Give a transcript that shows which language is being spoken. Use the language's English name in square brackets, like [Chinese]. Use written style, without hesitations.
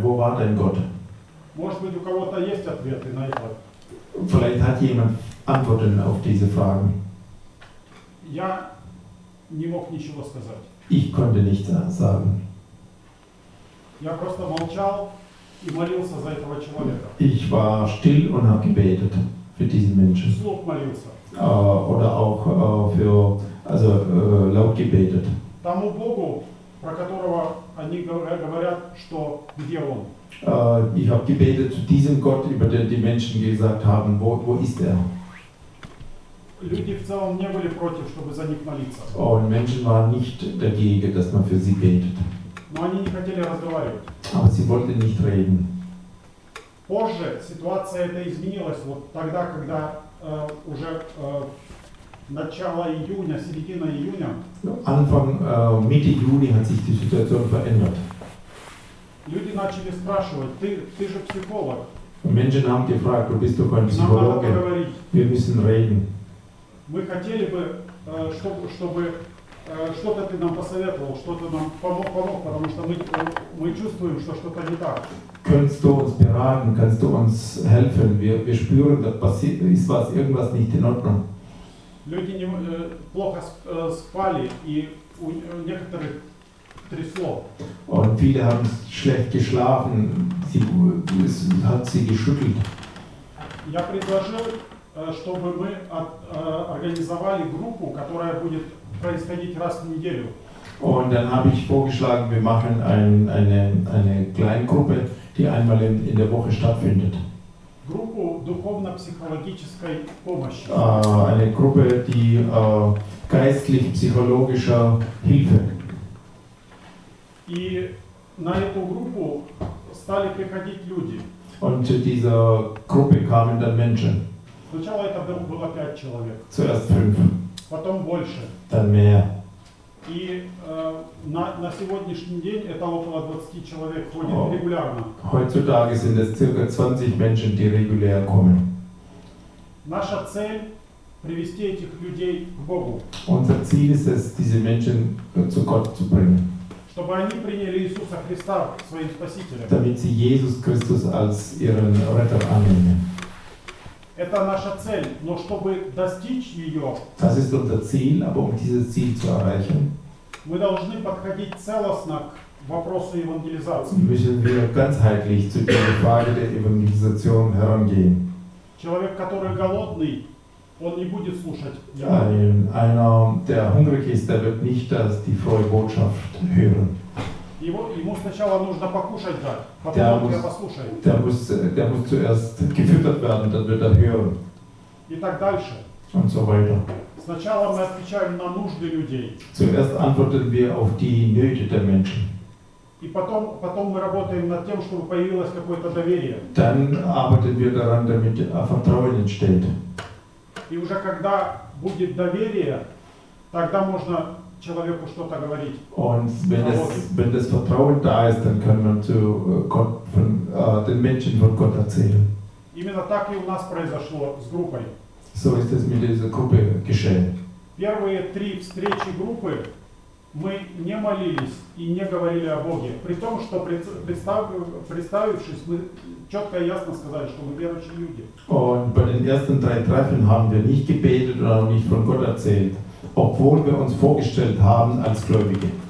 [German] Wo war dein Gott? [Russian] Может быть, у кого-то есть ответы на это? [German] Vielleicht hat jemand Antworten auf diese Fragen. [Russian] Я не мог ничего сказать. [German] Ich konnte nichts sagen. [Russian] Я просто молчал и молился за этого человека. [German] Ich war still und habe gebetet für diesen Menschen. [Russian] Вслух молился. [German] Oder auch für, also laut gebetet. [Russian] Тому Богу, про которого они говорят, что где он? [German] Ich habe gebetet zu diesem Gott, über den die Menschen gesagt haben, wo ist er? [Russian] Люди в целом не были против, чтобы за них молиться. [German] Und Menschen waren nicht dagegen, dass man für sie betet. [Russian] Но они не хотели разговаривать. [German] Aber sie wollten nicht reden. [Russian] Позже ситуация эта изменилась, вот тогда, когда уже начало июня, середина июня. [German] Anfang Mitte Juni hat sich die Situation verändert. [Russian] Люди начали спрашивать: ты же психолог. [German] Menschen haben gefragt, du bist doch ein Psychologe. Wir müssen reden. [Russian] Мы хотели бы, чтобы что-то ты нам посоветовал, что-то нам помог, потому что мы чувствуем, что что-то не так. [German] Kannst du uns beraten? Kannst du uns helfen? Wir spüren, da passiert ist was, irgendwas nicht in Ordnung. [Russian] Люди плохо спали и у некоторых трясло. [German] Und viele haben schlecht geschlafen. Es hat sie geschüttelt. [Russian] Я предложил, чтобы мы организовали группу, которая будет происходить раз в неделю. [German] Und dann habe ich vorgeschlagen, wir machen eine Kleingruppe, die einmal in der Woche stattfindet. [Russian] Группу духовно-психологической помощи. [German] Eine Gruppe, die geistlich-psychologischer Hilfe. [Russian] И на эту группу стали приходить люди. [German] Und zu dieser Gruppe kamen dann Menschen. [Russian] Сначала это было 5 человек. [German] Zuerst 5. [Russian] Потом больше. [German] Dann mehr. [Russian] И на сегодняшний день это около 20 человек ходит регулярно. [German] Heutzutage sind es circa 20 Menschen, die regulär kommen. [Russian] Наша цель привести этих людей к Богу. [German] Unser Ziel ist es, diese Menschen zu Gott zu bringen. [Russian] Чтобы они приняли Иисуса Христа своим спасителем. [German] Damit sie Jesus Christus als ihren Retter annehmen. [Russian] Это наша цель, но чтобы достичь ее, [German] das ist unser Ziel, aber dieses Ziel zu erreichen, [Russian] мы должны подходить целостно к вопросу евангелизации. [German] Müssen wir ganzheitlich zu dieser Frage der Evangelisation herangehen. [Russian] Человек, который голодный, он не будет слушать. [German] Einer, der hungrig ist, der wird nicht die frohe Botschaft hören. [Russian] Ему сначала нужно покушать, да, потом он тебя послушает. [German] Der muss zuerst gefüttert werden, dann wird hören. [Russian] И так дальше. [German] Und so weiter. [Russian] Сначала мы отвечаем на нужды людей. [German] Zuerst antworten wir auf die Nöte der Menschen. [Russian] И потом мы работаем над тем, чтобы появилось какое-то доверие. [German] Dann arbeiten wir daran, damit Vertrauen entsteht. [Russian] И уже когда будет доверие, тогда можно человеку что-то говорить. [German] Und wenn das Vertrauen da ist, dann kann man zu Gott, den Menschen von Gott erzählen. [Russian] Именно так и у нас произошло с группой. [German] So ist es mit dieser Gruppe geschehen. [Russian] Первые три встречи группы мы не молились и не говорили о Боге, при том, что представившись, мы четко и ясно сказали, что мы верующие люди. [German] Und bei den ersten drei Treffen haben wir nicht gebetet und auch nicht von Gott erzählt, obwohl wir uns vorgestellt haben als Gläubige.